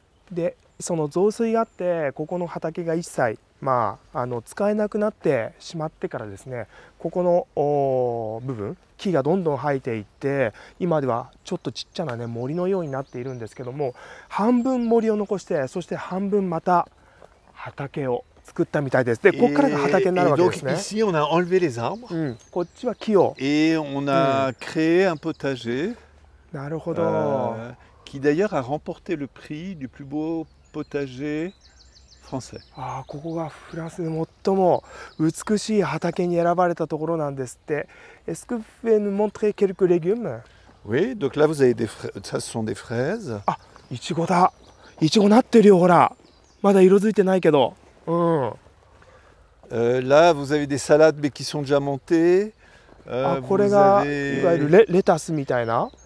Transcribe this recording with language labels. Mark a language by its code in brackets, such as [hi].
[ja] で、その増水があって、ここの畑が一切、まあ、使えなくなってしまってからですね、ここの部分、木がどんどん生えていって、今ではちょっとちっちゃな、ね、森のようになっているんですけども、半分森を残して、そして半分また畑を作ったみたいです。で、ここからが畑になるわけですね。 [fr] Donc, ici, on a enlevé les arbres. [ja] こっちは木を。 [fr] Et on a créé un potager. [ja] なるほど。 [fr] Qui d'ailleurs a remporté le prix du plus beau potager français. [ja] Ah, ここがフランスで最も美しい畑に選ばれたところなんですって。 [fr] Est-ce que vous pouvez nous montrer quelques légumes? Oui, donc là vous avez des fraises. Ça, ce sont des fraises. [ja] Ah, いちごだ。いちごなってるよ、ほら。まだ色づいてないけど。 [fr] Là, vous avez des salades, mais qui sont déjà montées. [ja] これがいわゆるレタスみたいな。